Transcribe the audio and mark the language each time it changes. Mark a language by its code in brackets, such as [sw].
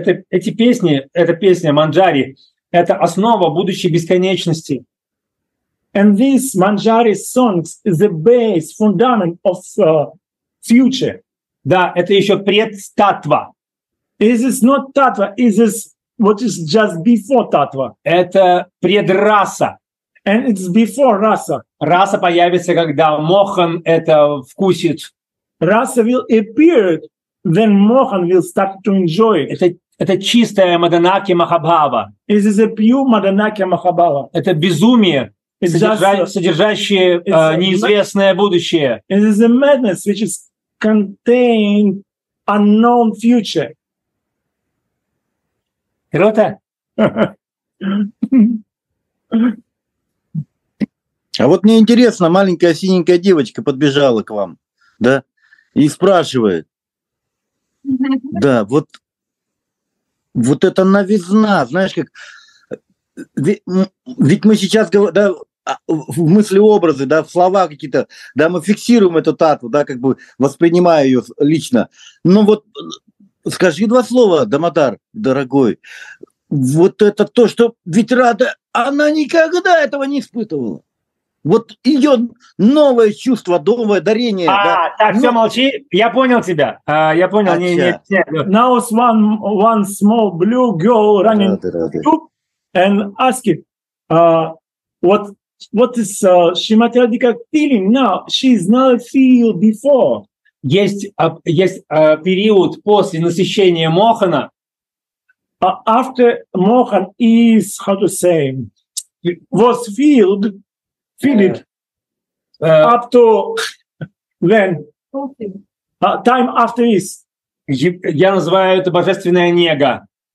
[ru] Эти песни, эта песня Манджари, это основа будущей бесконечности. [en] And this Manjari songs is the base, fundament of future. [ru] Да, это еще предтатва. [en] Is this not tatva? Is this what is just before tatva? [ru] Это предраса. [en] And it's before rasa. [ru] Раса появится, когда Мохан это вкусит. [en] Rasa will appear when Mohan will start to enjoy it. [ru] Это чистая Маданакья Махабхава. [en] Is this a pure Маданакья Махабхава? [ru] Это безумие. Содержащие неизвестное будущее. [en] It is a madness which is contain unknown future. [ru] Круто. А вот мне интересно, маленькая синенькая девочка подбежала к вам, да, и спрашивает. Да, вот это новизна, знаешь, как... Ведь мы сейчас говорим... Да, в мыслеобразы, да, в слова какие-то, да, мы фиксируем эту татву, да, как бы воспринимая ее лично. Ну вот, скажи два слова, Дамодар, дорогой, вот это то, что ведь Рада, она никогда этого не испытывала. Вот ее новое чувство, новое дарение. А, да. Так, все, молчи, я понял тебя, я понял. [en] Now is one small blue girl running and asking, what is Shrimati Radhika feeling now? She's not feel before. [ru] Есть период после насыщения Мохана. [en] After Mohan is, how to say, was filled up to when? Time after is. [ru] Я называю это божественная нега.